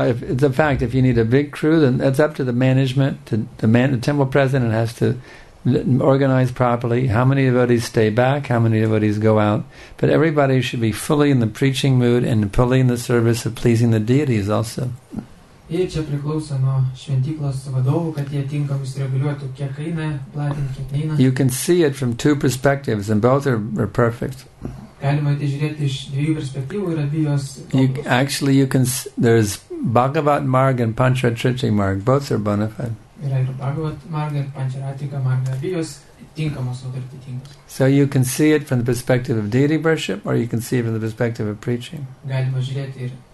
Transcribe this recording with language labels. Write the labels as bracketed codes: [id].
[en] Well, if it's a fact, if you need a big crew, then that's up to the management. The temple president has to organize properly how many devotees stay back, how many devotees go out. But everybody should be fully in the preaching mood and fully in the service of pleasing the deities also. [lt] Ir čia priklauso nuo šventyklos vadovų, kad jie tinkamai sureguliuotų, kiek eina, platinti, kiek neina. [en] You can see it from two perspectives, and both are perfect. [lt] Galima tai žiūrėti iš dviejų perspektyvų ir abi jos... [en] Actually, you can see, there's Bhagavat Marg and Pancharatrika Marg. Both are bona fide. [lt] Yra ir Bhagavat Marg ir Pancharatrika Marg, abi jos tinkamos, o dar tinkamos. [en] So you can see it from the perspective of deity worship, or you can see it from the perspective of preaching. [lt] Galima žiūrėti ir...